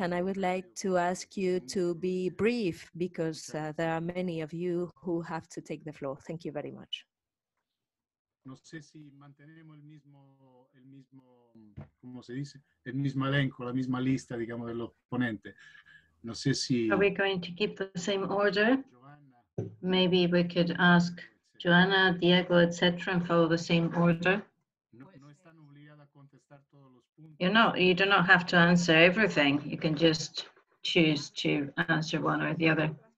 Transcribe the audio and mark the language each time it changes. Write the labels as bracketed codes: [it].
[en] And I would like to ask you to be brief, because there are many of you who have to take the floor. Thank you very much. [es] No sé si mantenemos el mismo, ¿cómo se dice? El mismo elenco, la misma lista, digamos, de los ponentes. No sé si. [en] Are we going to keep the same order? Maybe we could ask Joanna, Diego, etc., and follow the same order. [es] No están obligadas a contestar todos los puntos. [en] You do not have to answer everything. You can just choose to answer one or the other.